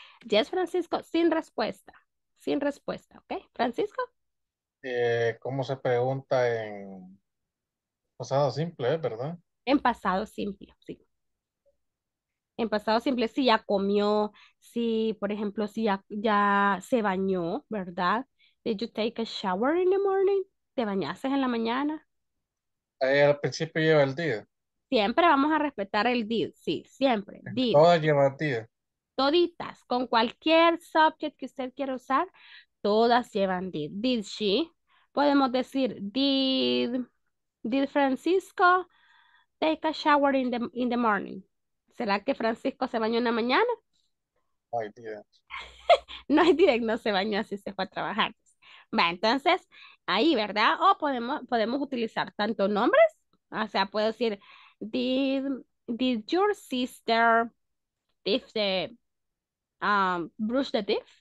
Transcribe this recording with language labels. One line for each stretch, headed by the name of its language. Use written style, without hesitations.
Spanish: Yes, Francisco, sin respuesta. Sin respuesta, ¿ok? Francisco. ¿Cómo se pregunta en pasado simple, verdad? En pasado simple, sí. En pasado simple, si ya comió, si, por ejemplo, si ya se bañó, ¿verdad?
English: Did you take a shower in the morning?
Spanish: ¿Te bañaste en la mañana? Al principio lleva el día. Siempre vamos a respetar el did, sí, siempre.
English: Did.
Spanish: Todas llevan did. Toditas, con cualquier subject que usted quiera usar, todas llevan did.
English: Did she?
Spanish: Podemos decir,
English: did Francisco take a shower in the morning?
Spanish: ¿Será que Francisco se bañó en la mañana? No hay
English: did.
Spanish: No se bañó, así se fue a trabajar. Va, entonces, ahí, ¿verdad? O podemos utilizar tanto nombres, o sea, puedo decir,
English: did your sister brush the teeth?